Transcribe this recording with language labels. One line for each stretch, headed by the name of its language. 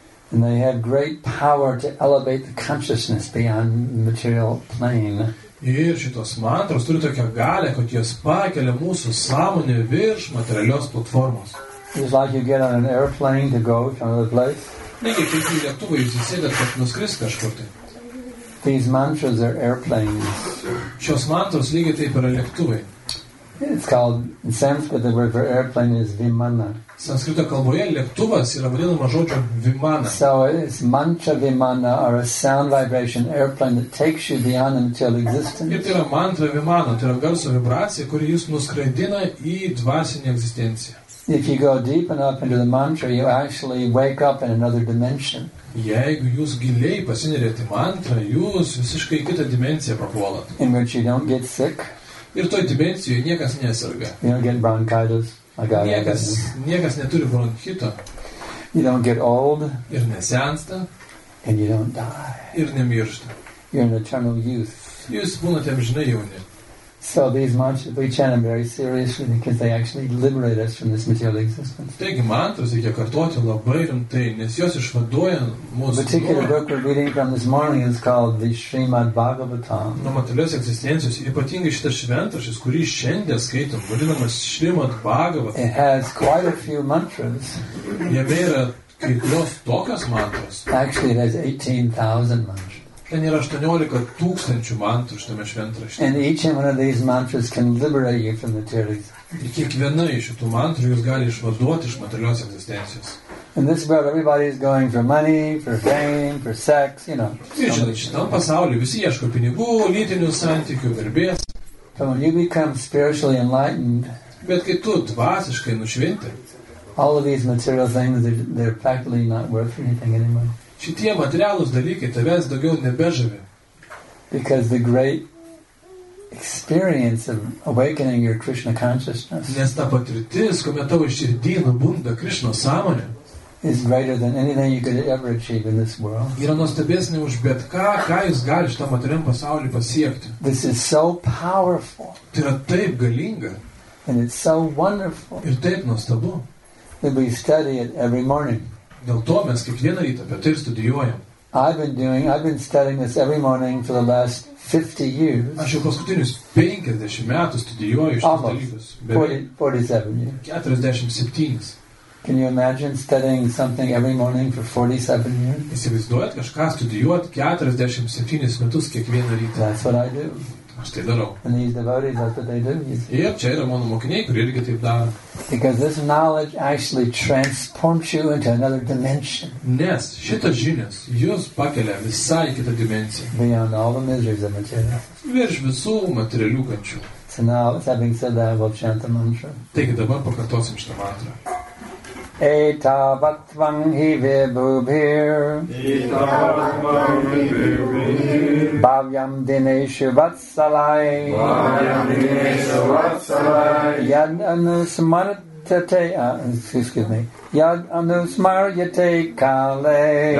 English: And they had great power to elevate the consciousness beyond the material plane.
Lithuanian: Ir šitos mantros turi tokią galę, kad jas pakelia mūsų sąmonę virš materialios platformos.
English: It's like you get on an airplane to go to another place.
Lithuanian: Negi kaip į lėktuvą įsisėdėt, kad nuskris kažkur tai.
English: These mantras are airplanes.
Lithuanian: Šios mantros lygiai taip yra lėktuvai.
English: It's called, in Sanskrit, the word for airplane is vimana.
Lithuanian: Sanskrito kalboje lėktuvas yra vadinama žodžio vimana.
English: So it's mantra vimana, or a sound vibration airplane that takes you beyond until existence.
Lithuanian: Ir tai yra mantra vimana, tai yra garso vibracija, kuri jūs nuskraidina į dvasinį egzistenciją.
English: If you go deep enough into the mantra, you actually wake up in another dimension.
Lithuanian: Jeigu jūs giliai pasineriate mantrą, jūs visiškai į kitą dimensiją papuolat.
English: In which you don't get sick.
Lithuanian: Ir toj dimensijoje niekas neserga.
English: You don't get bronchitis.
Lithuanian: Niekas neturi bronchito.
English: You don't get old.
Lithuanian: Ir nesensta.
English: And you don't die.
Lithuanian: Ir nemiršta.
English: You're an eternal youth.
Lithuanian: Jūs būnate amžinai jauni.
English: So these mantras, we chant them very seriously because they actually liberate us from this material existence.
Lithuanian: Taigi mantras reikia kartoti labai rimtai, nes jos išvaduoja mūsų.
English: The particular book we're reading from this morning is called the Srimad Bhagavatam.
Lithuanian: Nuo materialios egzistencijos, ypatingai šitas šventraštis, kurį šiandien skaitom, vadinamas Srimad Bhagavatam.
English: It has quite a few mantras.
Lithuanian: Jame yra kai kurios tokios mantras.
English: Actually, it has 18,000 mantras.
Lithuanian: Ten yra 18,000 mantrų šitame šventrašte.
English: And each one of these mantras can liberate you from material existence.
Lithuanian: Kiekviena iš šitų mantrų jūs gali išvaduoti iš materialios egzistencijos.
English: In this world, everybody is going for money, for fame, for sex, you know. But when you become spiritually enlightened, all of these material things, they're practically not worth anything anymore.
Lithuanian: Šitie materialūs dalykai tavęs daugiau nebežavė.
English: Because the great experience of awakening your Krishna consciousness.
Lithuanian: Nes ta patirtis, kuomet tavo širdy nubunda Krishna sąmonė,
English: is greater than anything you could ever achieve in this world.
Lithuanian: Yra nuostabesnė už bet ką, ką jūs galite tam materialiam pasaulį pasiekti.
English: This is so powerful.
Lithuanian: Tai yra taip galinga.
English: And it's so wonderful.
Lithuanian: Ir taip nuostabu.
English: That we study it every morning.
Lithuanian: Dėl to mes kiekvieną rytą apie tai ir studijuojam.
English: I've been studying this every morning for the last 50 years.
Lithuanian: Aš jau paskutinius 50 metų studijuoju šitą dalykus.
English: 47 years. Can you imagine studying something every morning for 47 years?
Lithuanian: Įsivaizduojat kažką studijuot 47 metus kiekvieną rytą?
English: That's what I do.
Lithuanian: Aš tai darau.
English: And these devotees, that's what they do.
Lithuanian: Ir čia yra mano mokiniai, kurie irgi taip daro.
English: Because this knowledge actually transforms you into another dimension.
Lithuanian: Nes šitas žinias jūs pakelia visai kitą dimensiją.
English: Beyond all the miseries of material.
Lithuanian: Virš visų materialių kančių.
English: So now, having said that, we'll chant the mantra.
Lithuanian: Taigi dabar pakartosim šitą mantrą.
Sanskrit: Eta vatvam hi vibhubhir Eta vatvam hi vibhubhir Bhavyam dineshu vatsalai Bhavyam dineshu vatsalai Yad anusmartate Yad anusmaryate kale